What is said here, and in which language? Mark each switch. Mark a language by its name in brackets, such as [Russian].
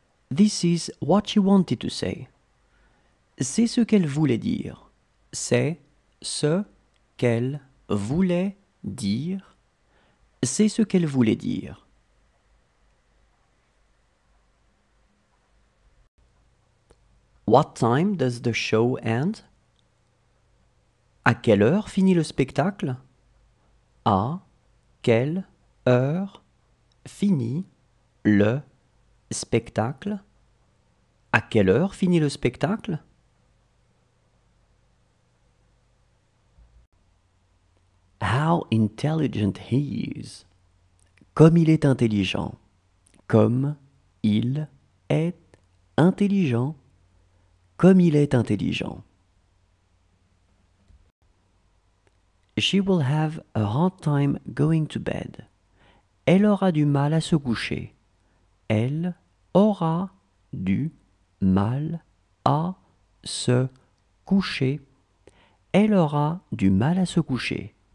[English] This is what she wanted to say. [French] C'est ce qu'elle voulait dire. C'est ce qu'elle voulait dire. C'est ce qu'elle voulait dire. [English] What time does the show end? [French] À quelle heure finit le spectacle? À quelle heure finit le spectacle? À quelle heure finit le spectacle? [English] How intelligent he is. [French] Comme il est intelligent. Comme il est intelligent. Comme il est intelligent. [English] She will have a hard time going to bed. [French] Elle aura du mal à se coucher. Elle aura du mal à se coucher. Elle aura du mal à se coucher.